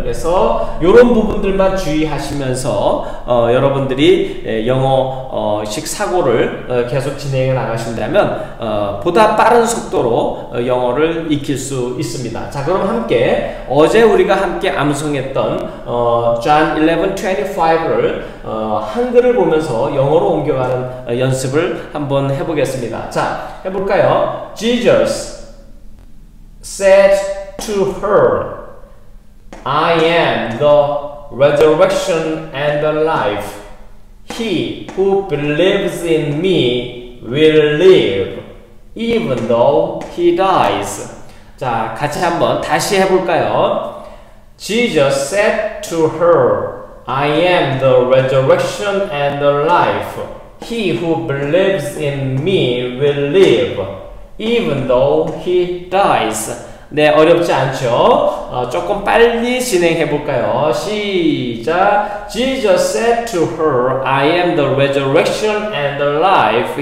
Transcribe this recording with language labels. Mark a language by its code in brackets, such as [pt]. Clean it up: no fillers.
[ko] 그래서 요런 부분들만 주의하시면서 여러분들이 영어식 사고를 계속 진행해 나가신다면 보다 빠른 속도로 영어를 익힐 수 있습니다. 자, 그럼 함께 어제 우리가 함께 암송했던 John 11:25를 한글을 보면서 영어로 옮겨가는 연습을 한번 해보겠습니다. 자, 해볼까요? [en] Jesus said to her, I am the resurrection and the life. He who believes in me will live, even though he dies. [ko] 자, 같이 한번 다시 해볼까요? [en] Jesus said to her, I am the resurrection and the life. He who believes in me will live, even though he dies. [ko] 네, 어렵지 않죠? 조금 빨리 진행해 볼까요? 시작! [en] Jesus said to her, I am the resurrection and the life.